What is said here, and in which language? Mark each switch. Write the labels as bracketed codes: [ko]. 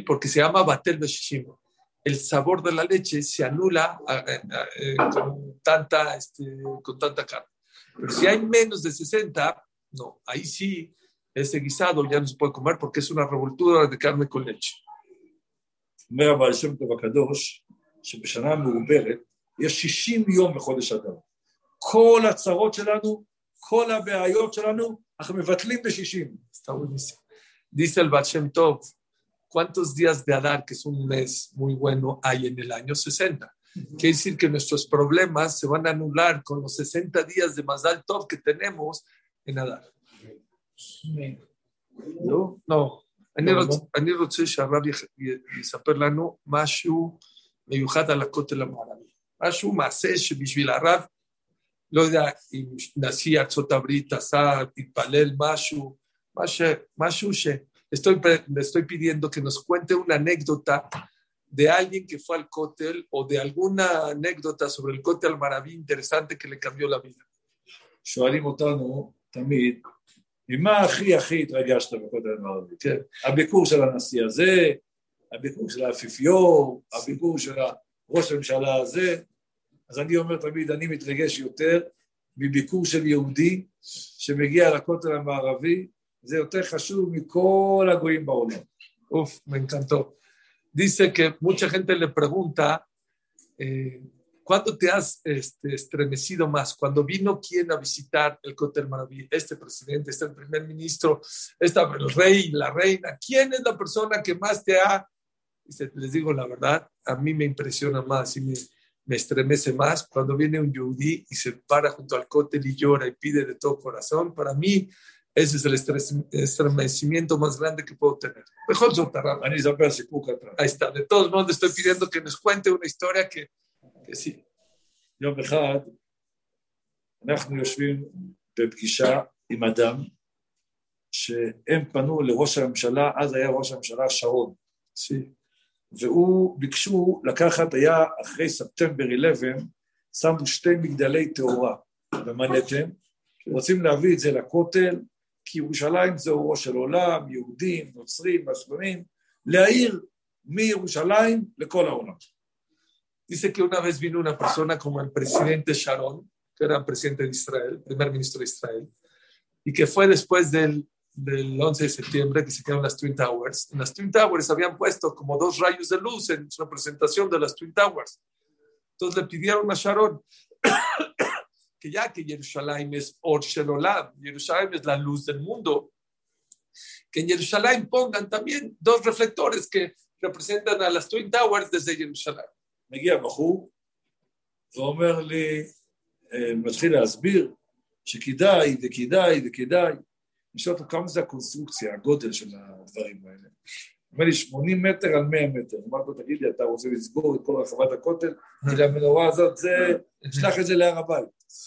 [es] Porque se llama batel beshishim. El sabor de la leche se anula con tanta carne. Pero si hay menos de 60, no, ahí sí, ese guisado ya no se puede comer porque es una revoltura de carne con leche. [he] אומר אבל השם טוב הקדוש, שבשנה מעוברת, יש 60 יום בחודש אדר. כל הצרות שלנו, כל הבעיות שלנו, אנחנו מבטלים ב-60. [es] Dice el Baal Shem Tov, ¿cuántos días de Adar, que es un mes muy bueno, hay en el año 60? Quiere decir que nuestros problemas se van a anular con los 60 días de Mazal Tov que tenemos en Adar. No. [he] אני רוצה שהרב יספר לנו משהו מיוחד על הכותל המערבי. משהו מעשה שבשביל הרב, לא יודע אם נשיא ארצות הברית עשה, תתפלל משהו, משהו ש... [es] Estoy pidiendo que nos cuente una anécdota de alguien que fue al כותל o de alguna anécdota sobre el כותל המערבי interesante que le cambió la vida. [he] שואלים אותנו תמיד, ממה הכי הכי התרגשת בכותל המערבי? כן. הביקור של הנשיא הזה, הביקור של האפיפיור, הביקור של ראש הממשלה הזה. אז אני אומר תמיד, אני מתרגש יותר מביקור של יהודי שמגיע לכותל המערבי, זה יותר חשוב מכל הגויים בעולם. אוף, מנקנטו. [es] Dice que mucha gente le pregunta, ¿cuándo te has estremecido más? ¿Cuando vino quién a visitar el Kotel Maraví? Este presidente, este primer ministro, este el rey, la reina. ¿Quién es la persona que más te ha...? Dice, les digo la verdad, a mí me impresiona más y me estremece más cuando viene un yudí y se para junto al Kotel y llora y pide de todo corazón. Para mí, ese es el estremecimiento más grande que puedo tener. Mejor soltará. Ahí está. De todos modos, estoy pidiendo que nos cuente una historia que... Sí. [he] יום אחד אנחנו יושבים בפגישה עם אדם שהם פנו לראש הממשלה, אז היה ראש הממשלה שרון. [es] Sí. [he] והוא ביקשו לקחת, היה אחרי ספטמבר 11, שמו שתי מגדלי תאורה במנהטן, רוצים להביא את זה לכותל, כי ירושלים זה אורו של עולם, יהודים, נוצרים, מוסלמים, להעיר מירושלים לכל העולם. [es] Dice que una vez vino una persona como el presidente Sharon, que era presidente de Israel, primer ministro de Israel, y que fue después del 11 de septiembre que se quedaron las Twin Towers. En las Twin Towers habían puesto como dos rayos de luz en su presentación de las Twin Towers. Entonces le pidieron a Sharon que ya que Jerusalén es Or Shel Olam, Jerusalén es la luz del mundo, que en Jerusalén pongan también dos reflectores que representan a las Twin Towers desde Jerusalén. [he] מגיע בחור ואומר לי, מתחיל להסביר שכדאי וכדאי וכדאי. נשאל אותו כמה זה הקונסטרוקציה, הגודל של הדברים האלה. אומר לי, 80 מטר על 100 מטר. אמרת לו, תגיד לי, אתה רוצה לסגור את כל רחבת הכותל? כי למנורה הזאת זה, נשלח את זה להר הבית.